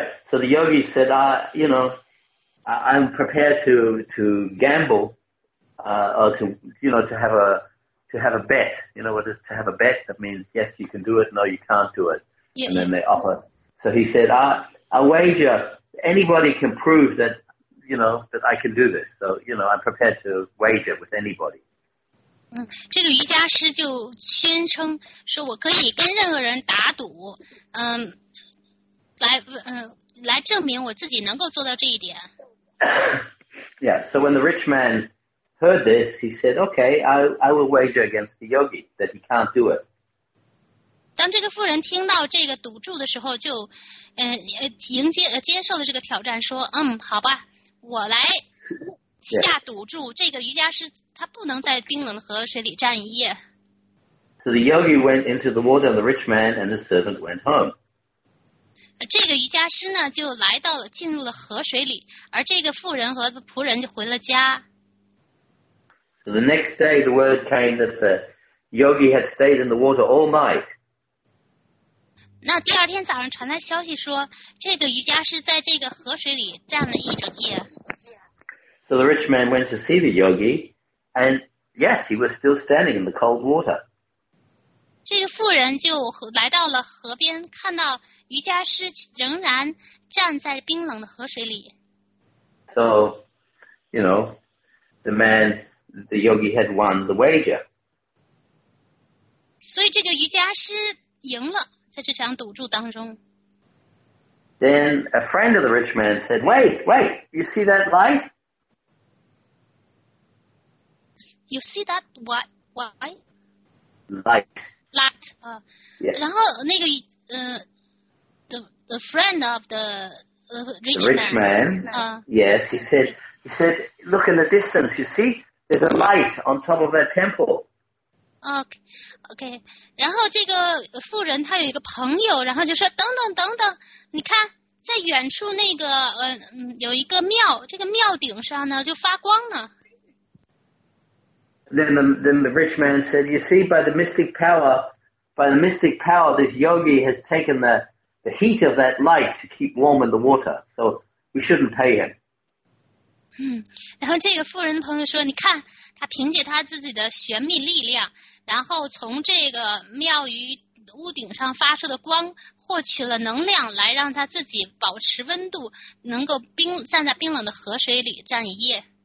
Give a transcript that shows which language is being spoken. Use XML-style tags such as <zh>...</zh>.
<en>So the yogi said, I'm prepared to gamble, to have a bet, you know what is to have a bet? That means yes, you can do it. No, you can't do it. And then they offer. So he said, "I wager anybody can prove that, you know, that I can do this. So you know, I'm prepared to wager with anybody."</en> <zh>这个瑜伽师就宣称说，我可以跟任何人打赌，来证明我自己能够做到这一点。</zh> <en>Yeah. So when the rich man heard this, he said, okay, I will wager against the yogi that he can't do it.</en> <zh>当这个妇人听到这个赌注的时候，就接受了这个挑战，说，好吧，我来下赌注，这个瑜伽师他不能在冰冷的河水里站一夜。</zh> <en>So the yogi went into the water, and the rich man and the servant went home.</en> <zh>这个瑜伽师呢，就来到了，进入了河水里，而这个妇人和仆人就回了家。</zh> <en>So the next day, the word came that the yogi had stayed in the water all night.</en> <zh>那第二天早上传来消息说，这个瑜伽师在这个河水里站了一整夜。</zh> <en>So the rich man went to see the yogi, and yes, he was still standing in the cold water.</en> <zh>这个妇人就来到了河边，看到瑜伽师仍然站在冰冷的河水里。</zh> <en>So, you know, the yogi had won the wager.</en> <zh>所以这个瑜伽师赢了在这场赌注当中。</zh> <en>Then a friend of the rich man said, wait, you see that light? You see that why? Light. Yes.</en> <zh>然后那个</zh> <en>the friend of the rich man, he said, look in the distance, you see? There's a light on top of that temple.</en> <zh>OK， 然后这个富人他有一个朋友，然后就说："等等等等，你看，在远处那个，有一个庙，这个庙顶上呢就发光呢。</zh> <en>Then the rich man said, "You see, by the mystic power, this yogi has taken the heat of that light to keep warm in the water, so we shouldn't pay him."</en> <zh>嗯，然后这个富人的朋友说："你看，他凭借他自己的玄秘力量。" 然后从这个庙宇屋顶上发出的光，获取了能量，来让他自己保持温度，能够站在冰冷的河水里站一夜。</zh>